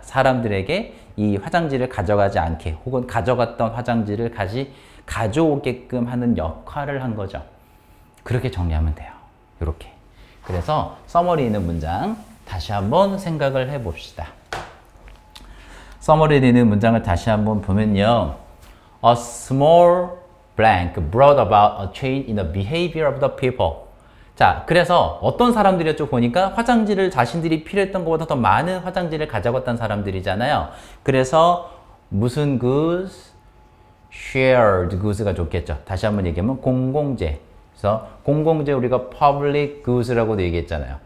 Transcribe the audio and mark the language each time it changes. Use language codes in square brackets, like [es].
[ko] 사람들에게 이 화장지를 가져가지 않게 혹은 가져갔던 화장지를 가져오게끔 하는 역할을 한 거죠. 그렇게 정리하면 돼요. 요렇게. 그래서 써머리 있는 문장 다시 한번 생각을 해봅시다. 써머리 있는 문장을 다시 한번 보면요. [en] A small blank brought about a change in the behavior of the people. [ko] 자, 그래서 어떤 사람들이었죠? 보니까 화장지를 자신들이 필요했던 것보다 더 많은 화장지를 가져갔던 사람들이잖아요. 그래서 무슨 goods? Shared goods가 좋겠죠. 다시 한번 얘기하면 공공재. 그래서 공공재 우리가 public goods라고도 얘기했잖아요.